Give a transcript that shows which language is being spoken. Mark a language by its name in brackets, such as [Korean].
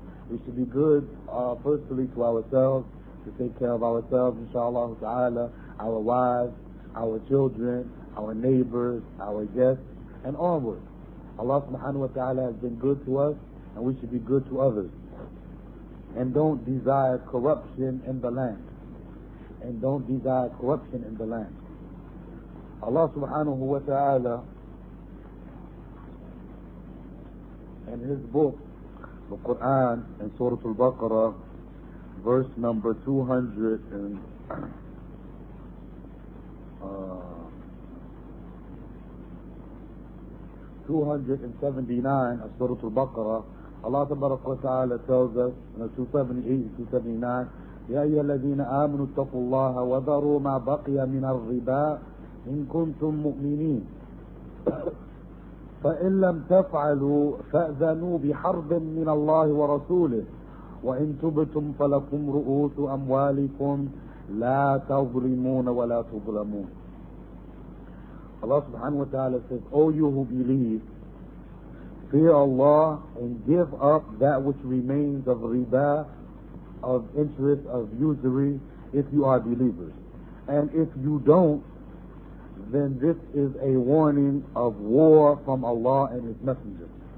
[English] We should be good, firstly to ourselves, to take care of ourselves, inshaAllah ta'ala, our wives, our children, our neighbors, our guests, and onwards. Allah subhanahu wa ta'ala has been good to us, and we should be good to others. And don't desire corruption in the land. And don't desire corruption in the land. Allah subhanahu wa ta'ala and his book, the Quran and Surah Al-Baqarah, verse number 279 of Surah Al-Baqarah, Allah tabaraka wa ta'ala tells us in 278-279, [Arabic] يَا أَيَّا الَّذِينَ آمَنُوا اتَّقُوا اللَّهَ وَذَرُوا مَا بَقِيَ مِنَ الرِّبَا إِن كُنْتُم مُؤْمِنِينَ فَإِن لَمْ تَفْعَلُوا فَأْذَنُوا بِحَرْبٍ مِنَ اللَّهِ وَرَسُولِهِ وَإِن تُبْتُمْ فَلَكُمْ رُؤُوسُ أَمْوَالِكُمْ لَا تَظْلِمُونَ وَلَا تُظْلَمُونَ. [English] Allah subhanahu wa ta'ala says, O you who believe, fear Allah and give up that which remains of riba, of interest, of usury, if you are believers. And if you don't, then this is a warning of war from Allah and His Messenger.